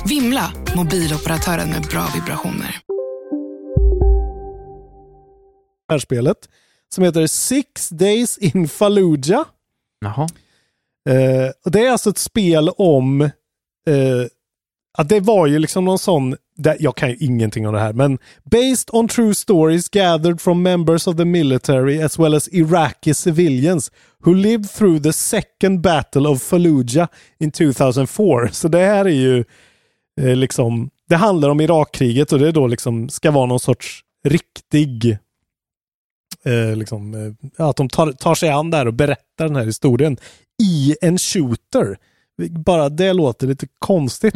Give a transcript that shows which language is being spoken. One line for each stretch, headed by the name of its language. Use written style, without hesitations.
Swedish: Vimla, mobiloperatören med bra vibrationer. Det här spelet som heter 6 Days in Fallujah. Jaha. Och det är alltså ett spel om... att det var ju liksom någon sån... Jag kan ju ingenting om det här, men
English: based on true stories gathered from members of the military as well as Iraqi civilians who lived through the second battle of Fallujah in 2004.
Swedish: Så det här är ju liksom, det handlar om Irakkriget, och det är då liksom ska vara någon sorts riktig liksom, att de tar sig an där och berättar den här historien i en shooter. Bara det låter lite konstigt.